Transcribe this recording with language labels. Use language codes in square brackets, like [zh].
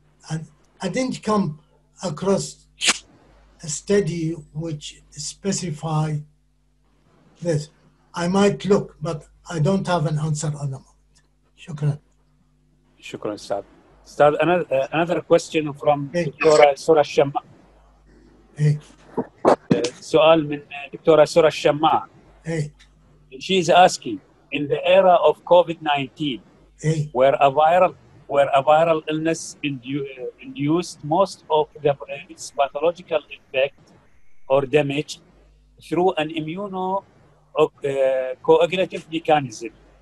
[en] And I didn't come across a study which specify this. I might look, but I don't have an answer at the moment. [ar] Shukran. Shukran, Saad. [en] Saad, another question from Sura Shamma. Hey. [ar] سؤال من دكتورة سورة الشماع. Hey. [en] She is asking, in the era of COVID-19, hey, where a viral illness induced most of its pathological effect or damage through an immunocoagulative mechanism,